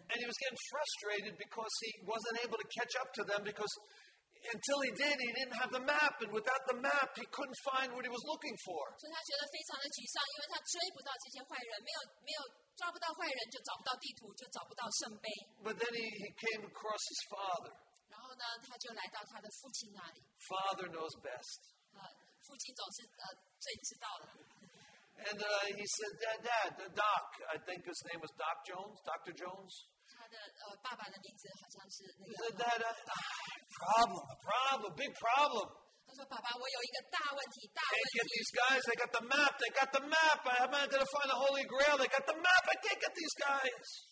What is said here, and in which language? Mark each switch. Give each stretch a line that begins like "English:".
English: And he was getting frustrated because he wasn't able to catch up to them because until he did, he didn't have the map, and without the map, he couldn't find what he was looking for.
Chinese: 所以他觉得非常的沮丧，因为他追不到这些坏人，没有抓不到坏人，就找不到地图，就找不到圣杯。
English: But then he came across his father.
Chinese: 然后呢，他就来到他的父亲那里。
English: Father knows best.
Chinese: 父亲总是最知道的。
English: And he said, Dad, Doc, I think his name was Doc Jones, Dr. Jones.
Chinese: 他的爸爸的名字好像是那个。
English: He said, Dad, a problem, big problem.
Chinese: 他说，爸爸，我有一个大问题。
English: I can't get these guys, they got the map. I'm not going to find the Holy Grail, they got the map, I can't get these guys.